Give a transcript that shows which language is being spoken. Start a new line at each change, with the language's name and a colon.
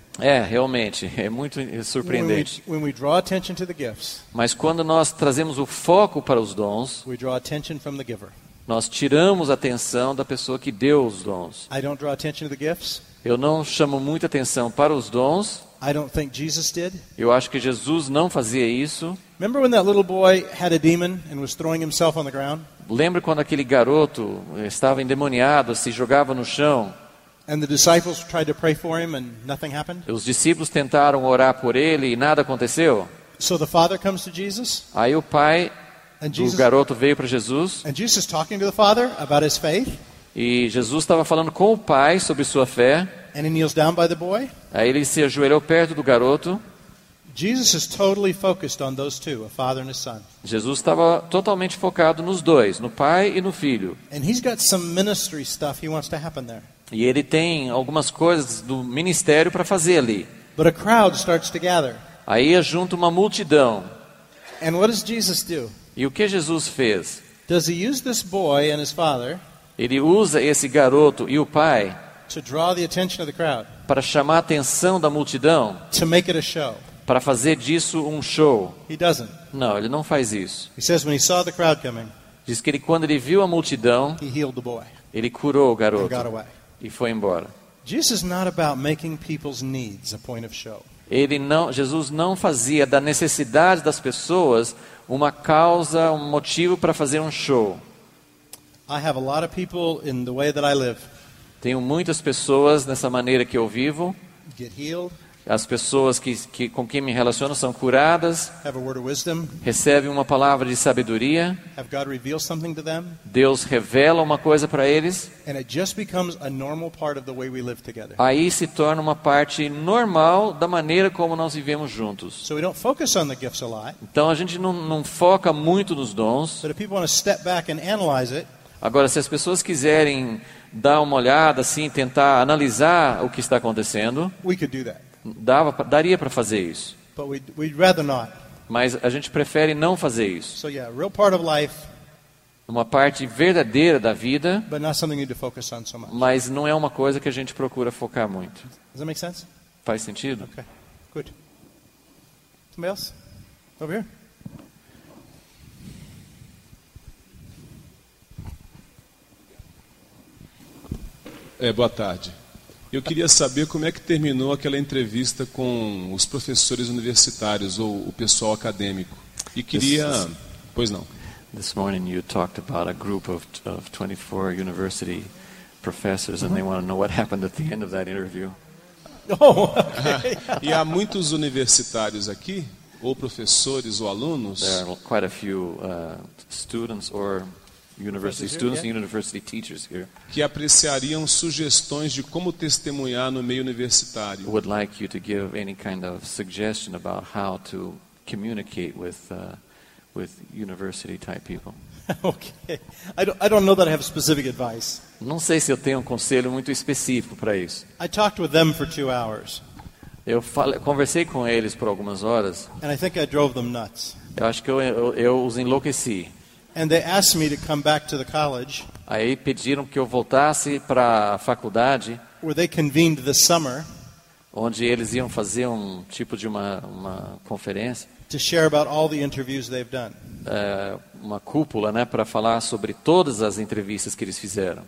Portuguese: É, realmente, é muito surpreendente.
English: When we draw attention to the gifts,
Portuguese: mas quando nós trazemos o foco para os dons,
English: we draw attention from the giver.
Portuguese: Nós tiramos a atenção da pessoa que deu os dons.
English: I don't draw attention to the gifts.
Portuguese: Eu não chamo muita atenção para os dons.
English: I don't think Jesus did.
Portuguese: Eu acho que Jesus não fazia isso.
English: Remember when that little boy had a demon and was throwing himself on the ground?
Portuguese: Lembra quando aquele garoto estava endemoniado, se jogava no chão?
English: And the disciples tried to pray for him and nothing happened?
Portuguese: Os discípulos tentaram orar por ele e nada aconteceu?
English: So the father comes to Jesus?
Portuguese: Aí o pai do garoto veio para Jesus.
English: And Jesus talking to the father about his faith?
Portuguese: E Jesus estava falando com o pai sobre sua fé.
English: And he kneels down by the boy.
Portuguese: Aí ele se ajoelhou perto do garoto.
English: Jesus is totally focused on those two, a father and a son.
Portuguese: Jesus estava totalmente focado nos dois, no pai e no filho.
English: And he's got some ministry stuff he wants to happen there.
Portuguese: E ele tem algumas coisas do ministério para fazer ali.
English: But a crowd starts to gather.
Portuguese: Aí junta uma multidão.
English: And what does Jesus do?
Portuguese: E o que Jesus fez?
English: Does he use this boy and his father?
Portuguese: Ele usa esse garoto e o pai
English: to draw the attention of the crowd,
Portuguese: para chamar a atenção da multidão,
English: to make it a show,
Portuguese: para fazer disso um show.
English: He doesn't.
Portuguese: Não, ele não faz isso.
English: He says when he saw the crowd coming,
Portuguese: diz que ele, quando ele viu a multidão,
English: he healed the boy,
Portuguese: ele curou o garoto
English: and got away,
Portuguese: e foi embora.
English: Jesus is not about making people's needs a point of show.
Portuguese: Ele não, Jesus não fazia da necessidade das pessoas uma causa, um motivo para fazer um show.
English: I have a lot of people in the way that I live.
Portuguese: Tenho muitas pessoas nessa maneira que eu vivo.
English: Get healed.
Portuguese: As pessoas que com quem me relaciono são curadas.
English: Have a word of wisdom.
Portuguese: Recebem uma palavra de sabedoria.
English: Have God reveal something to them.
Portuguese: Deus revela uma coisa para eles.
English: And it just becomes a normal part of the way we live together.
Portuguese: Aí se torna uma parte normal da maneira como nós vivemos juntos.
English: So we don't focus on the gifts a lot.
Portuguese: Então a gente não foca muito nos dons.
English: But if people want to step back and analyze it,
Portuguese: agora, se as pessoas quiserem dar uma olhada, assim, tentar analisar o que está acontecendo,
English: we could do that.
Portuguese: Daria para fazer isso.
English: But we'd rather not.
Portuguese: Mas a gente prefere não fazer isso.
English: So, yeah, real part of life,
Portuguese: uma parte verdadeira da vida,
English: but not something you need to focus on so much.
Portuguese: Mas não é uma coisa que a gente procura focar muito.
English: Does that make sense?
Portuguese: Faz sentido?
English: Ok, good. Somebody else? Over here?
Portuguese: Boa tarde. Eu queria saber como é que terminou aquela entrevista com os professores universitários ou o pessoal acadêmico. E queria, pois não.
English: This morning you talked about a group of 24 university professors and they want to know what happened at the end of that interview. Oh, okay.
Portuguese: E há muitos universitários aqui ou professores ou alunos?
English: There are quite a few students or university students and university teachers here
Portuguese: que apreciariam sugestões de como testemunhar no meio universitário.
English: Would like you to give any kind of suggestion about how to communicate with university type people. Okay. I don't know that I have specific advice.
Portuguese: Não sei se eu tenho um conselho muito específico para isso.
English: I talked with them for 2 hours.
Portuguese: Eu conversei com eles por algumas horas.
English: And I think I drove them nuts.
Portuguese: Eu acho que eu os enlouqueci.
English: And they asked me to come back to the college.
Portuguese: Aí pediram que eu voltasse para a faculdade.
English: Where they convened the summer.
Portuguese: Onde eles iam fazer um tipo de uma conferência.
English: To share about all the interviews they've done.
Portuguese: Uma cúpula, né, para falar sobre todas as entrevistas que eles fizeram.